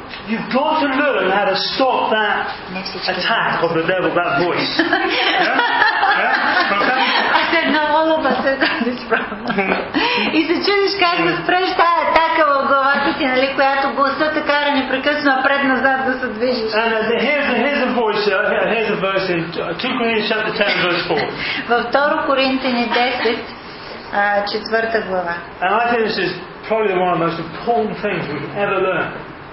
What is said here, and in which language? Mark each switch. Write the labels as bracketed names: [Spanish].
[English] You've got to learn how to stop that attack of the devil, that voice. I said, no, all of us have got this problem. [Bulgarian] И се чудиш как да спреш тая атака в главата си, нали, която гласа те кара непрекъснато пред-назад да се движиш. [English] And here's a voice, here's a verse in 2 Corinthians chapter 10, verse 4. [Bulgarian] Във 2 Коринтяни 10, 4 глава. [English] And I think this is probably one of the most important things we've ever learned.